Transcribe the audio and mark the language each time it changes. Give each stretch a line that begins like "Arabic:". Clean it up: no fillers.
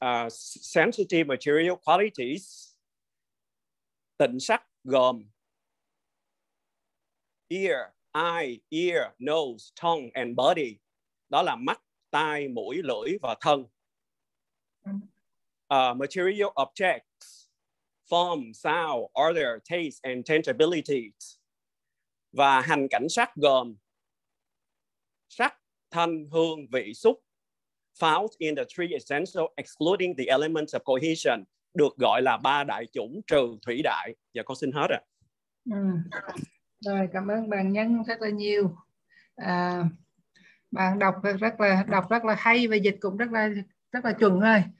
English: Sensitive material qualities,
Vietnamese: tịnh sắc gồm
English: ear, eye, ear, nose, tongue, and body.
Vietnamese: Đó là mắt, tai, mũi, lưỡi và thân.
English: Material objects, form, sound, order, taste, and tangibility.
Vietnamese: Và hành cảnh sắc gồm sắc, thanh, hương, vị, xúc,
English: found in the three essentials excluding the elements of cohesion,
Vietnamese: được gọi là ba đại chủng trừ thủy đại. Và con xin hết ạ. Rồi, cảm ơn bạn Nhân rất là nhiều. Bạn đọc rất là hay và dịch cũng rất là chuẩn rồi.